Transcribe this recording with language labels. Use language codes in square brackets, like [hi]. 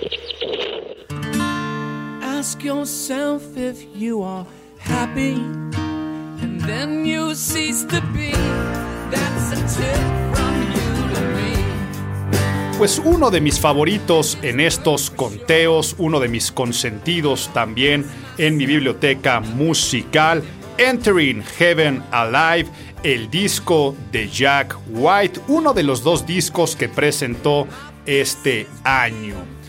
[es] Este es el top de Álvaro Gordoa. [en] Ask yourself if you are happy, and then you cease to be. That's a tip from you to me. [es] Pues uno de mis favoritos en estos conteos, uno de mis consentidos también en mi biblioteca musical, Entering Heaven Alive, el disco de Jack White, uno de los dos discos que presentó este año.